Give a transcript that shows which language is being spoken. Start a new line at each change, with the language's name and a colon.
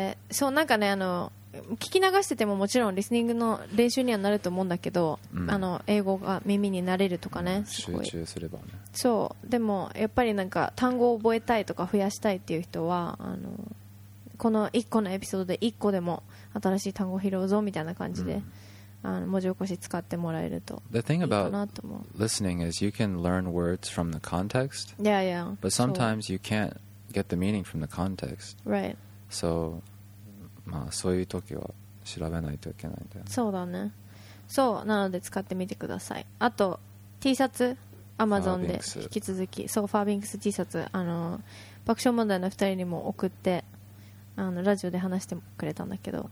Japanese: そう、なんかね、あの、聞き流しててももちろんリスニングの練習にはなると思うんだけど、うん、あの英語が耳に慣れるとかね、すごい集中すればね、そうでもやっぱりなんか単語を覚えたいとか増やしたいっていう人はあのこの1個のエピソードで1個でも新しい単語を拾うぞみたいな感じで、うん、あの文字起こし使ってもらえるといいかなと思う。
English: The thing about listening is you can learn words from the context. Yeah, yeah. But sometimes you can't get the meaning from the context. Right.
Japanese: So,まあ、そういう時は調べないといけないんだよ。そうだね。そうなので使ってみてください。あと T シャツ Amazon で引き続き、そうファービンクス T シャツ、あの爆笑問題の2人にも送って、あのラジオで話してくれたんだけど、